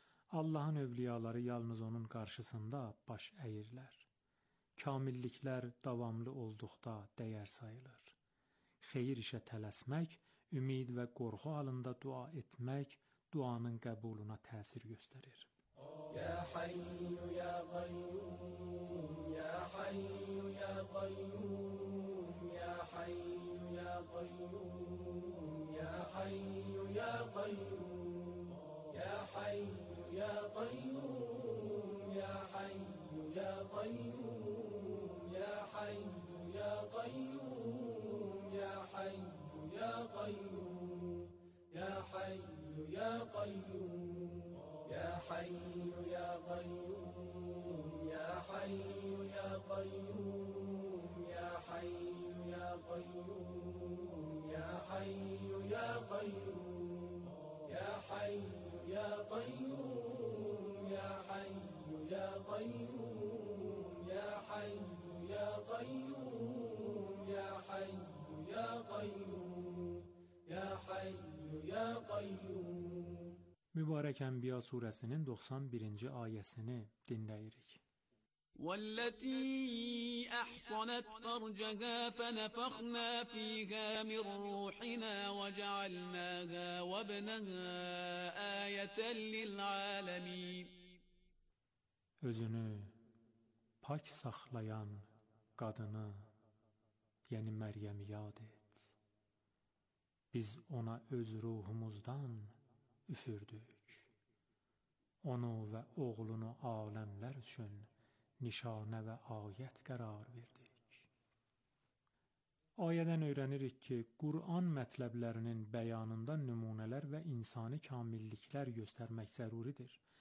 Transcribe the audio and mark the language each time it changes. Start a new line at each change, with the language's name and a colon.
Azerbaijani: Allahın övliyaları yalnız onun qarşısında baş əyirlər. Kamilliklər davamlı olduqda dəyər sayılır. Xeyir işə tələsmək, ümid və qorxu halında dua etmək duanın qəbuluna təsir göstərir.
Arabic: يا حي يا قيوم يا حي يا قيوم يا حي يا قيوم يا حي يا قيوم يا حي يا قيوم يا حي يا قيوم يا حي يا قيوم يا حي يا قيوم يا حي يا قيوم يا حي يا قيوم يا حي يا قيوم يا حي يا قيوم يا حي يا قيوم يا حي يا قيوم يا حي يا قيوم يا حي يا قيوم يا حي يا قيوم يا حي يا قيوم
Azerbaijani: Mübarək Ənbiya surəsinin 91-ci ayəsini dinləyirik.
Arabic: والتي أحصنت فرجها فنفخنا فيها من روحنا وجعلناها وابنها آية للعالمين.
Azerbaijani: Özünü pak saxlayan qadını, yəni Məryəmi yad et. Biz ona öz ruhumuzdan üfürdük. Onu və oğlunu aləmlər üçün nişanə və ayət qərar verdik. Ayədən öyrənirik ki, Qur'an mətləblərinin bəyanında nümunələr və insani kamilliklər göstərmək zəruridir.